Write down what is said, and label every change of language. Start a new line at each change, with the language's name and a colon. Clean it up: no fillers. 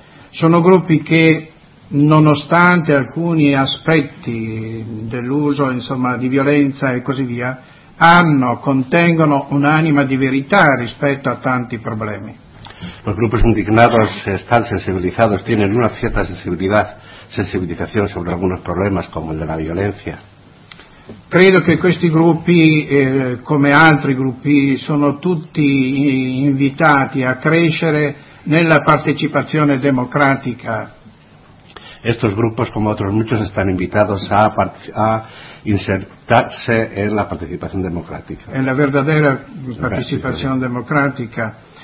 Italian: Sono gruppi che, nonostante alcuni aspetti dell'uso, insomma, di violenza e così via, contengono un'anima di verità rispetto a tanti problemi.
Spanish: Los grupos indignados están sensibilizados, tienen una cierta sensibilización sobre algunos problemas como el de la violencia.
Italian: Credo che questi gruppi, come altri gruppi, sono tutti invitati a crescere nella partecipazione democratica.
Spanish: Estos grupos, como otros muchos, están invitados a insertarse en la participación democrática. En la verdadera participación democrática.